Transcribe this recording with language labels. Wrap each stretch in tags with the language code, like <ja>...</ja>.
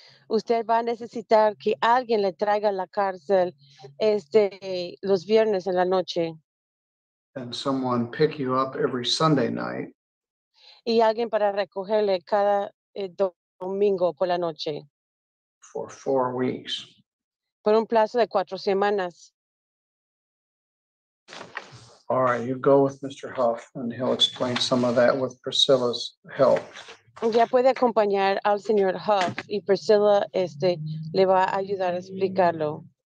<es>Usted va a necesitar que alguien le traiga a la cárcel los viernes en la noche.</es> <en>And someone pick you up every Sunday night.</en> <es>Y alguien para recogerle cada domingo por la noche.</es> <en>For 4 weeks.</en> <es>Por un plazo de 4 semanas.</es> <en>All right, you go with Mr. Huff and he'll explain some of that with Priscilla's help.</en> <es>Ya puede acompañar al señor Huff y Priscilla le va a ayudar a explicarlo.</es>